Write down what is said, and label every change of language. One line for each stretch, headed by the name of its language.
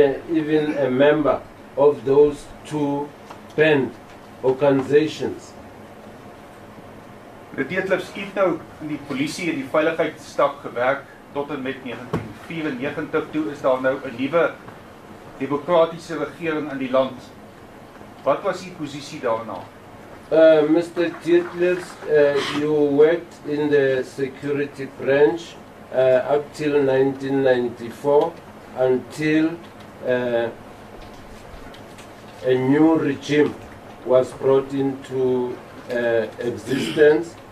English: even a member of those two band organizations.
Afrikaans: Dietlips, u het nou in die polisie en die veiligheidsstak gewerk tot en met 1994 toe is daar nou 'n nuwe demokratiese regering in die land. Wat was u posisie daarna?
English: Mr. Dietlips, you worked in the security branch up till 1994 until a new regime was brought into existence.